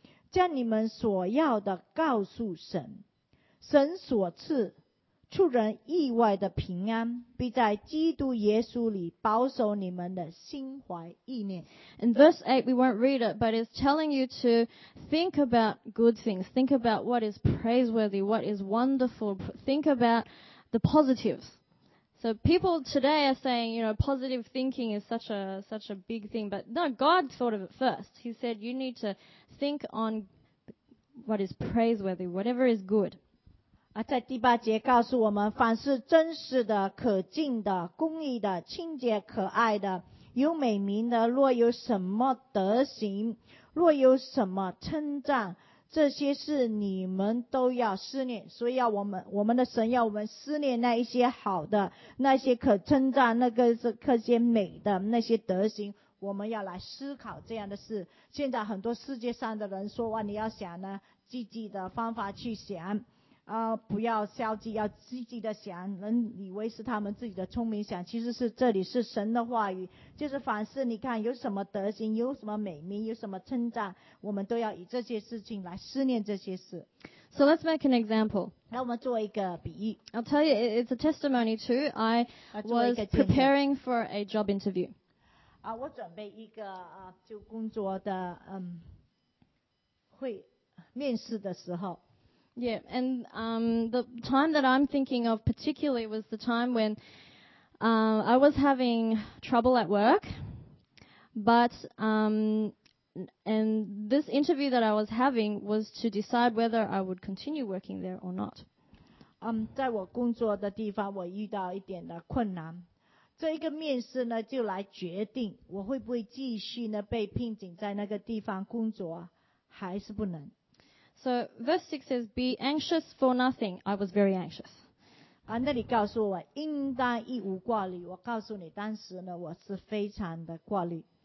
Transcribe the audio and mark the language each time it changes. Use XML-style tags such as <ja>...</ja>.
<zh>将你们所要的告诉神，神所赐出人意外的平安，必在基督耶稣里保守你们的心怀意念。</zh> <en>In verse 8, we won't read it, but it's telling you to think about good things. Think about what is praiseworthy, what is wonderful. Think about the positives. So people today are saying, you know, positive thinking is such a big thing. But no, God thought of it first. He said, you need to think on what is praiseworthy, whatever is good.</en> <zh>在第八节告诉我们，凡是真实的、可敬的、公义的、清洁、可爱的、有美名的，若有什么德行，若有什么称赞，这些事你们都要思念，所以要我们的神要我们思念那一些好的，那些可称赞，那个是那些美的那些德行，我们要来思考这样的事。现在很多世界上的人说哇，你要想呢，积极的方法去想，不要消极，要积极的想。人以为是他们自己的聪明想，其实是这里是神的话语，就是凡事你看有什么德行，有什么美名，有什么称赞，我们都要以这些事情来思念这些事。</zh> <en>So let's make an example.</en> <zh>让我们做一个比喻。</zh> <en>I'll tell you, it's a testimony too. I was preparing for a job interview.</en> <zh>我准备一个就工作的会面试的时候。</zh> <en>Yeah, and the time that I'm thinking of particularly was the time when I was having trouble at work, but and this interview that I was having was to decide whether I would continue working there or not.</en> <zh>在我工作的地方，我遇到一点的困难，这一个面试呢，就来决定我会不会继续呢被聘请在那个地方工作，还是不能。</zh> <en>So verse 6 says, be anxious for nothing. I was very anxious.</en> <zh>那里告诉我应当一无挂虑。我告诉你当时呢我是非常的挂虑。</zh>